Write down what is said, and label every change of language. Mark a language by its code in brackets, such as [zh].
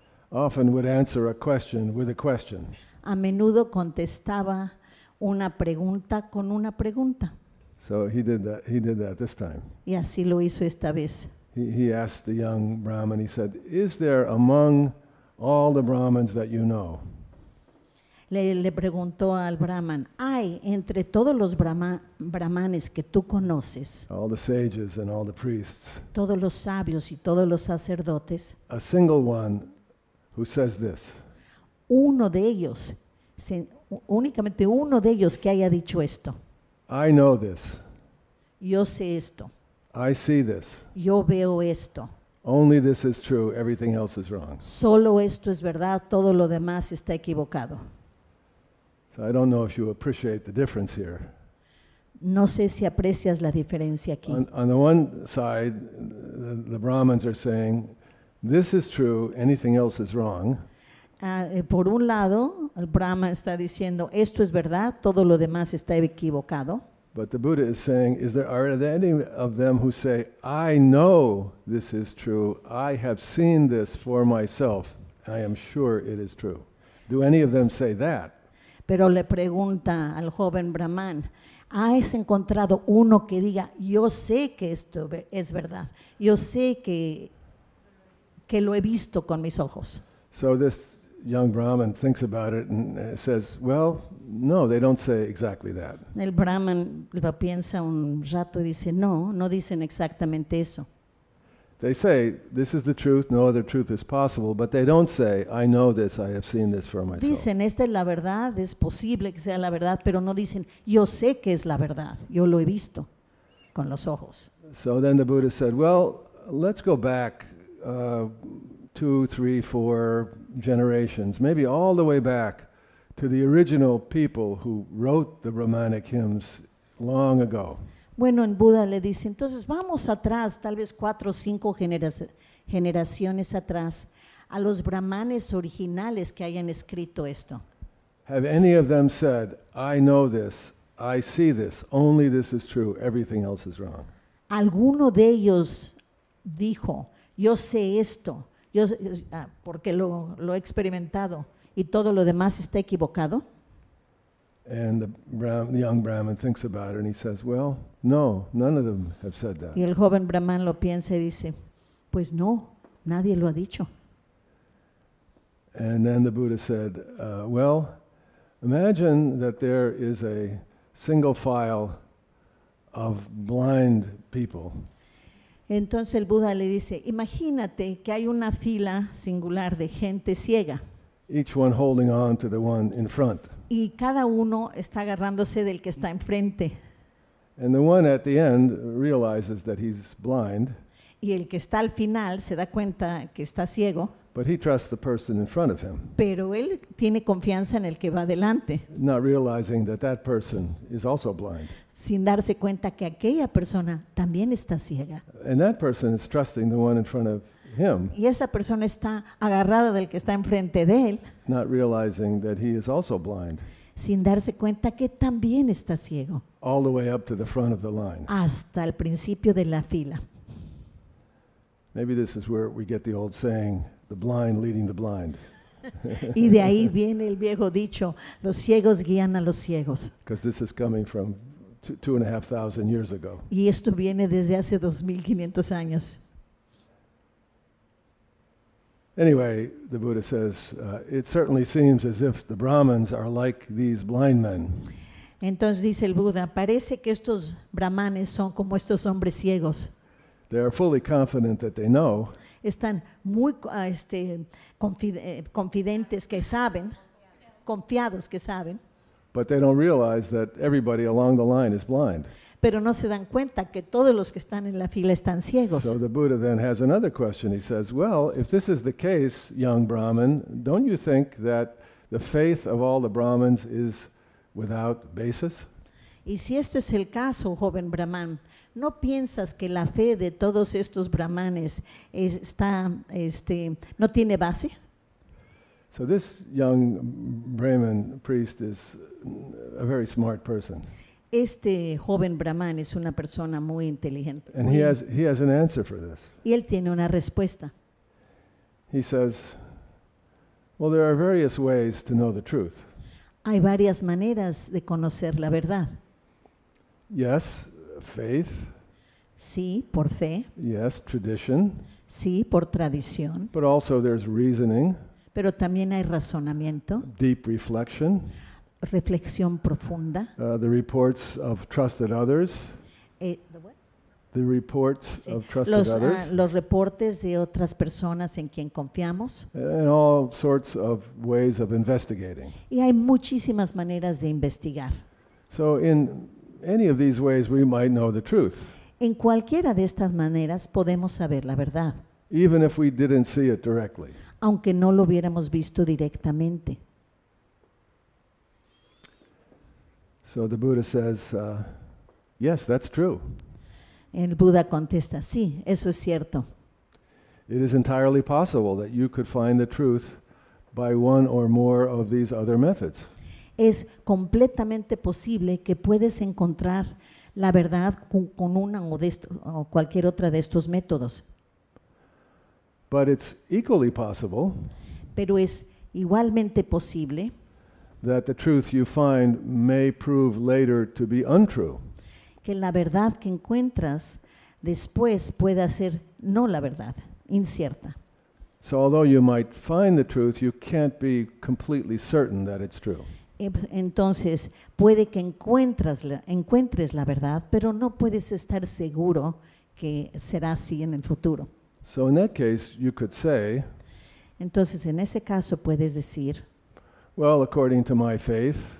[en] often would answer a question with a question. [es] A menudo contestaba una pregunta con una pregunta. [en] So he did that this time. [es] Y así lo hizo esta vez. [en] He asked the young Brahmin, he said, is there among all the Brahmins that you know? [es] Le preguntó al Brahman, ¿hay entre todos los brahmanes que tú conoces, [en] all the sages and all the priests, [es] todos los sabios y todos los sacerdotes, [en] a single one who says this? [es] Uno de ellos, únicamente uno de ellos que haya dicho esto. [en] I know this. [es] Yo sé esto. [en] I see this. [es] Yo veo esto. [en] Only this is true, everything else is wrong. [es] Solo esto es verdad, todo lo demás está equivocado. [en] So I don't know if you appreciate the difference here. [es] No sé si aprecias la diferencia aquí. [en] On the one side, the Brahmins are saying, this is true, anything else is wrong. [es] Por un lado, el Brahma está diciendo, esto es verdad, todo lo demás está equivocado. [en] But the Buddha is saying, are there any of them who say, I know this is true, I have seen this for myself, I am sure it is true. Do any of them say that? [es] Pero le pregunta al joven Brahman, ¿has encontrado uno que diga, yo sé que esto es verdad, yo sé que lo he visto con mis ojos? [en] So this young Brahman thinks about it and says, well, no, they don't say exactly that. [es] El Brahman lo piensa un rato y dice, no, no dicen exactamente eso. [en] They say, this is the truth, no other truth is possible, but they don't say, I know this, I have seen this for myself. [es] Dicen, esta es la verdad, es posible que sea la verdad, pero no dicen, yo sé que es la verdad, yo lo he visto con los ojos. [en] So then the Buddha said, well, let's go back 2, 3, 4 generations, maybe all the way back to the original people who wrote the Brahmanic hymns long ago. [es] Bueno, en Buda le dice, entonces vamos atrás, tal vez 4 o 5 generaciones atrás, a los brahmanes originales que hayan escrito esto. [en] Have any of them said, I know this, I see this, only this is true, everything else is wrong? [es] ¿Alguno de ellos dijo, yo sé esto, yo, porque lo he experimentado y todo lo demás está equivocado? [en] And the young Brahmin thinks about it and he says, well, no, none of them have said that. [es] Y el joven Brahman lo piensa y dice, pues no, nadie lo ha dicho. [en] And then the Buddha said, well, imagine that there is a single file of blind people. [es] Entonces el Buda le dice, imagínate que hay una fila singular de gente ciega. [en] Each one holding on to the one in front. [es] Y cada uno está agarrándose del que está enfrente. [en] And the one at the end realizes that he's blind. [es] Y el que está al final se da cuenta que está ciego. [en] But he trusts the person in front of him. [es] Pero él tiene confianza en el que va adelante. [en] Not realizing that that person is also blind. [es] Sin darse cuenta que aquella persona también está ciega. [en] And that person is trusting the one in front of him. [es] Y esa persona está agarrada del que está enfrente de él. [en] Not realizing that he is also blind. [es] Sin darse cuenta que también está ciego. [en] All the way up to the front of the line. [es] Hasta el principio de la fila. [en] Maybe this is where we get the old saying, the blind leading the blind. [es] Y de ahí viene el viejo dicho, los ciegos guían a los ciegos. [en] Because this is coming from 2,500 years ago. [es] Y esto viene desde hace 2,500 años. [en] Anyway, the Buddha says, it certainly seems as if the Brahmins are like these blind men. [es] Entonces dice el Buda, parece que estos brahmanes son como estos hombres ciegos. [en] They are fully confident that they know. [es] Están muy confidentes que saben, confiados que saben. [en] But they don't realize that everybody along the line is blind. [es] Pero no se dan cuenta que todos los que están en la fila están ciegos. [en] So the Buddha then has another question. He says, well, if this is the case, young Brahmin, don't you think that the faith of all the Brahmins is without basis? [es] Y si esto es el caso, joven Brahman, ¿no piensas que la fe de todos estos brahmanes está, no tiene base? [en] So this young Brahmin priest is a very smart person. [es] Este joven brahman es una persona muy inteligente. [en] And he has an answer for this. [es] Y él tiene una respuesta. [en] He says, well, there are various ways to know the truth. [es] Hay varias maneras de conocer la verdad. [en] Yes, faith. [es] Sí, por fe. [en] Yes, tradition. [es] Sí, por tradición. [en] But also there's reasoning. [es] Pero también hay razonamiento. [en] Deep reflection. [es] Reflexión profunda. [en] The reports of trusted others. The reports of trusted others. [es] Los reportes de otras personas en quien confiamos. [en] And all sorts of ways of investigating. [es] Y hay muchísimas maneras de investigar. [en] So in any of these ways we might know the truth. [es] En cualquiera de estas maneras podemos saber la verdad. [en] Even if we didn't see it directly. [es] Aunque no lo hubiéramos visto directamente. [en] So the Buddha says, yes, that's true. [es] El Buda contesta, sí, eso es cierto. [en] It is entirely possible that you could find the truth by one or more of these other methods. [es] Es completamente posible que puedes encontrar la verdad con una o de esto, o cualquier otra de estos métodos. [en] But it's equally possible. [es] Pero es igualmente posible. [en] That the truth you find may prove later to be untrue. [es] Que la verdad que encuentras después pueda ser no la verdad, incierta. [en] So although you might find the truth, you can't be completely certain that it's true. [es] Entonces, puede que encuentres la verdad, pero no puedes estar seguro que será así en el futuro. [en] So in that case, you could say, [es] entonces, en ese caso, puedes decir, [en] well, according to my faith,